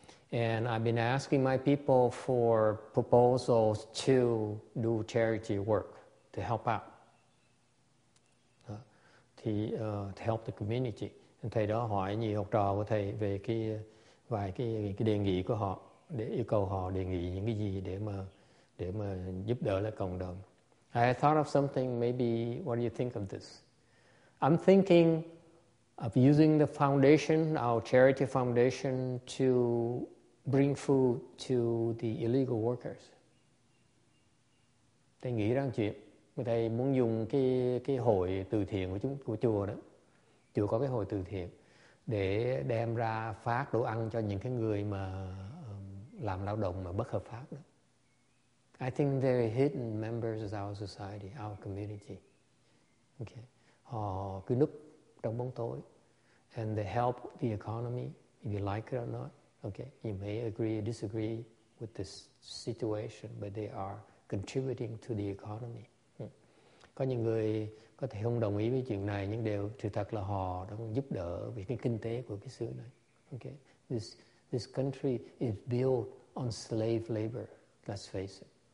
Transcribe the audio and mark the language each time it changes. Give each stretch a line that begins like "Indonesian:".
English: And I've been asking my people for proposals to do charity work to help out. Thì to help the community.
Vietnamese: Thầy đó hỏi nhiều học trò của thầy về vài cái đề nghị của họ, để yêu cầu họ đề nghị những cái gì để mà giúp đỡ lại cộng đồng.
English: I thought of something, maybe what do you think of this? I'm thinking of using the foundation, our charity foundation, to bring food to the illegal workers.
Vietnamese: Thầy nghĩ rằng chuyện thầy muốn dùng cái hội từ thiện của chùa đó, chùa có cái hội từ thiện để đem ra phát đồ ăn cho những cái người mà làm lao động mà bất hợp pháp đó.
English: I think they're hidden members of our society, our community. Okay,
Vietnamese: họ cứ núp trong bóng tối,
English: and they help the economy, if you like it or not. Okay, you may agree or disagree with this situation, but they are contributing to the economy.
Vietnamese: Có những người có thể không đồng ý với chuyện này, nhưng đều sự thật là họ đang giúp đỡ về cái kinh tế của cái xứ này.
English: Okay, this this country is built on slave labor, let's face it.